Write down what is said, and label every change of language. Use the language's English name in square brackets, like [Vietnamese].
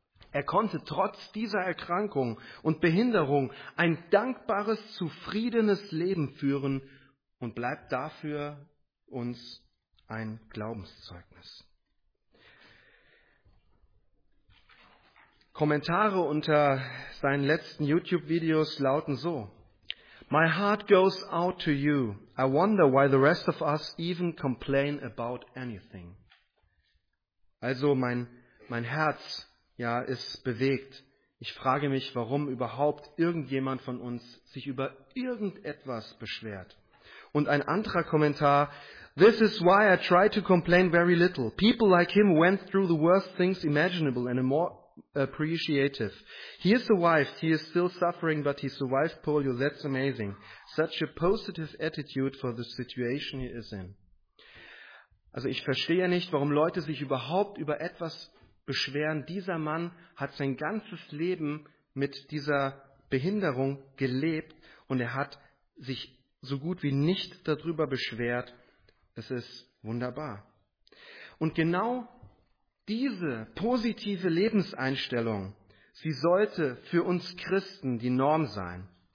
[German] Er konnte trotz dieser Erkrankung und Behinderung ein dankbares, zufriedenes Leben führen und bleibt dafür uns ein Glaubenszeugnis. Kommentare unter seinen letzten YouTube-Videos lauten so: [English] My heart goes out to you. I wonder why the rest of us even complain about anything. [German] Also mein Herz, ja, ist bewegt. Ich frage mich, warum überhaupt irgendjemand von uns sich über irgendetwas beschwert. Und ein anderer Kommentar: [English] This is why I try to complain very little. People like him went through the worst things imaginable and more appreciative. He is survived, he is still suffering, but he survived polio, that's amazing. Such a positive attitude for the situation he is in. [German] Also ich verstehe nicht, warum Leute sich überhaupt über etwas beschweren. Dieser Mann hat sein ganzes Leben mit dieser Behinderung gelebt und er hat sich so gut wie nicht darüber beschwert. Es ist wunderbar. Und genau diese positive Lebenseinstellung, sie sollte für uns Christen die Norm sein.